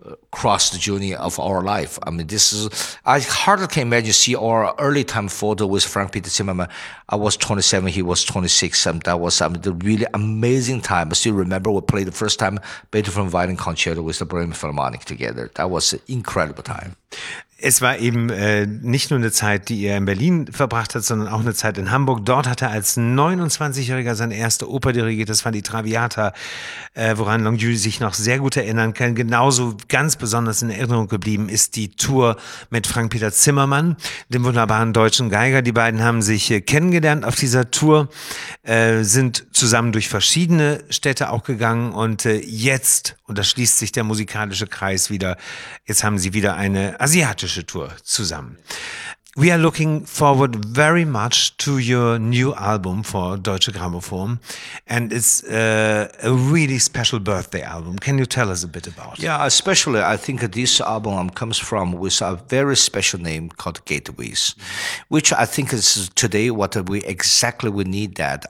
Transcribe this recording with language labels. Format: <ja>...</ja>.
<en>Cross the journey of our life. I hardly can imagine see our early time photo with Frank Peter Zimmermann. I was 27, he was 26, and that was the really amazing time. I still remember we played the first time Beethoven Violin Concerto with the Bremer Philharmonic together. That was an incredible time.</en> <de>Es war eben nicht nur eine Zeit, die er in Berlin verbracht hat, sondern auch eine Zeit in Hamburg. Dort hat er als 29-Jähriger seine erste Oper dirigiert. Das war die Traviata, woran Longyu sich noch sehr gut erinnern kann. Genauso ganz besonders in Erinnerung geblieben ist die Tour mit Frank-Peter Zimmermann, dem wunderbaren deutschen Geiger. Die beiden haben sich kennengelernt auf dieser Tour, sind zusammen durch verschiedene Städte auch gegangen, und jetzt, und da schließt sich der musikalische Kreis wieder, jetzt haben sie wieder eine asiatische Tour zusammen.</de> <en>We are looking forward very much to your new album for Deutsche Grammophon, and it's a really special birthday album. Can you tell us a bit about it? Yeah, especially I think this album comes from with a very special name called Gateways, which I think is today what we exactly we need that.</en>